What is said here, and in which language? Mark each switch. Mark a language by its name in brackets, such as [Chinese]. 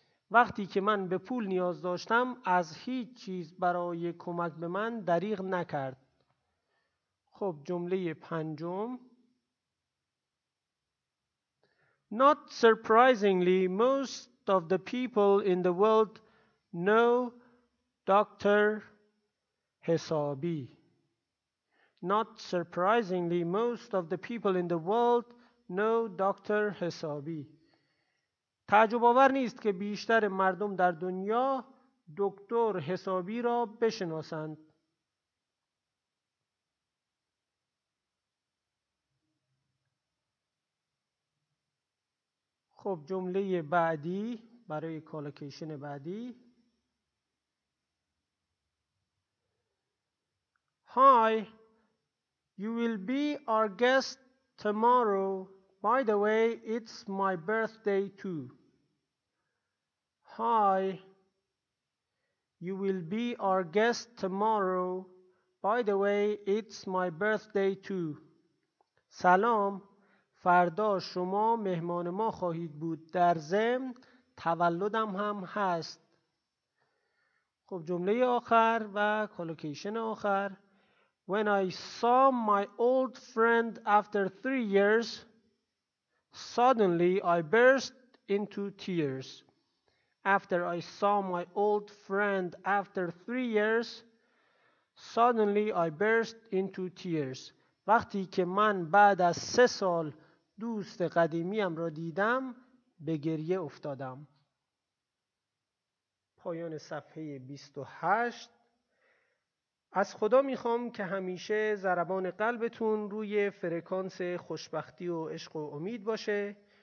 [Persian] وقتی که من به پول نیاز داشتم، از هیچ چیز برای کمک به من دریغ نکرد. خب جمله پنجم، [English] Not surprisingly, most of the people in the world know Dr. [Persian] حسابی. [English] Most of the people in the world know Dr. Hesabi. [Persian] تعجب آور نیست که بیشتر مردم در دنیا دکتر حسابی را بشناسند. خب جمله بعدی برای کالوکیشن بعدی. [English] Hi, you will be our guest tomorrow. By the way, it's my birthday too. Hi, you will be our guest tomorrow. By the way, it's my birthday too. [Persian] سلام، فردا شما مهمان ما خواهید بود. در ضمن تولدم هم هست. خب جمله آخر و کالوکیشن آخر. [English] When I saw my old friend after 3 years, suddenly I burst into tears. After I saw my old friend after 3 years, suddenly I burst into tears. [Persian] وقتی که من بعد از 3 سال دوست قدیمیم را دیدم، به گریه افتادم. پایان صفحه 28. از خدا میخوام که همیشه ضربان قلبتون روی فرکانس خوشبختی و عشق و امید باشه.